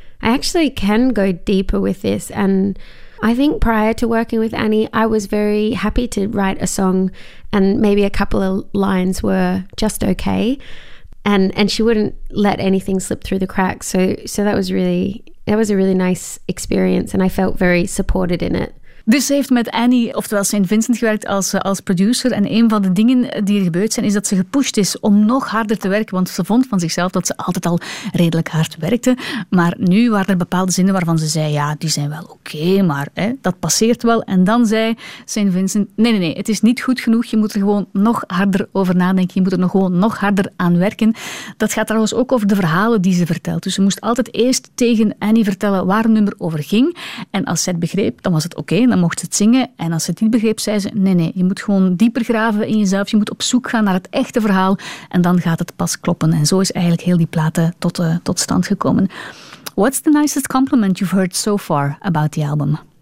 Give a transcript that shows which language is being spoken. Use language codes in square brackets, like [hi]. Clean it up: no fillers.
[en] I actually can go deeper with this. And I think prior to working with Annie, I was very happy to write a song and maybe a couple of lines were just okay. And she wouldn't let anything slip through the cracks. So that was really... That was a really nice experience, and I felt very supported in it. [nl] Dus ze heeft met Annie, oftewel St. Vincent, gewerkt als producer. En een van de dingen die er gebeurd zijn, is dat ze gepusht is om nog harder te werken. Want ze vond van zichzelf dat ze altijd al redelijk hard werkte. Maar nu waren er bepaalde zinnen waarvan ze zei, ja, die zijn wel oké, maar hè, dat passeert wel. En dan zei St. Vincent, nee, het is niet goed genoeg. Je moet er gewoon nog harder over nadenken. Je moet er gewoon nog harder aan werken. Dat gaat trouwens ook over de verhalen die ze vertelt. Dus ze moest altijd eerst tegen Annie vertellen waar een nummer over ging. En als zij het begreep, dan was het oké. Dan mocht ze het zingen. En als ze het niet begreep, zei ze, nee, je moet gewoon dieper graven in jezelf. Je moet op zoek gaan naar het echte verhaal. En dan gaat het pas kloppen. En zo is eigenlijk heel die platen tot stand gekomen. [en] What's the nicest compliment you've heard so far about the album?